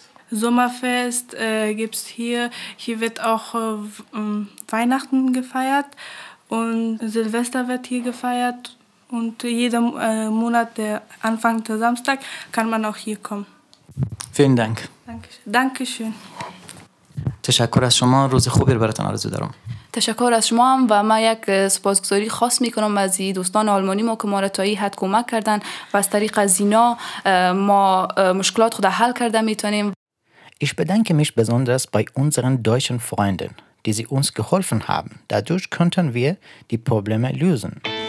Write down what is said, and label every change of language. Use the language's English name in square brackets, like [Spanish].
[German] Sommerfest gibt es hier. Hier wird auch Weihnachten gefeiert. Und Silvester wird hier gefeiert. Und jeden Monat, der Anfang der Samstag, kann man auch hier kommen. Vielen Dank. Dankeschön. [Persian] تشکر از شما، روز خوبی رو براتون آرزو دارم. تشکر از شما هم و ما یک سپاسگزاری خاص میکنم از دوستان آلمانی ما که ما را تا این حد کمک کردن و از طریق از اینا ما مشکلات خود حل کرده میتونیم. [German] Ich bedanke mich besonders bei unseren deutschen Freunden, die sie uns geholfen haben. Dadurch konnten wir die Probleme lösen.